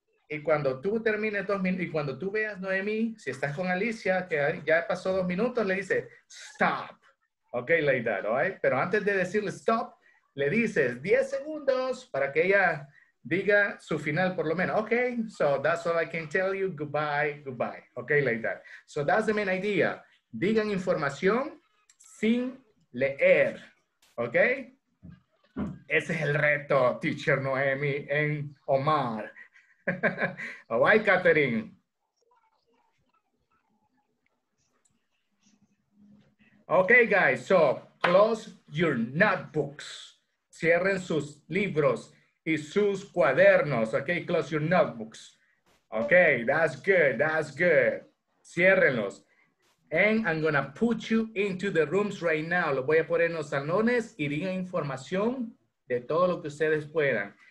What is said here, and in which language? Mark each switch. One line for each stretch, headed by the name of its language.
Spanish: Y cuando tú termines 2 minutos, y cuando tú veas Noemí, si estás con Alicia, que ya pasó 2 minutos, le dice, stop, ¿ok?
English: Like that, ¿all right?
Spanish: Pero antes de decirle stop, le dices 10 segundos para que ella diga su final por lo menos.
English: Okay, so that's all I can tell you. Goodbye, goodbye. Okay, like that. So that's the main idea.
Spanish: Digan información sin leer. Okay? Ese es el reto, teacher Noemi and Omar.
English: All right, Catherine. Okay, guys. So close your notebooks.
Spanish: Cierren sus libros. Y sus cuadernos, okay,
English: close your notebooks. Okay, that's good, that's good.
Spanish: Ciérrenlos.
English: And I'm gonna put you into the rooms right now.
Spanish: Lo voy a poner en los salones y digan información de todo lo que ustedes puedan.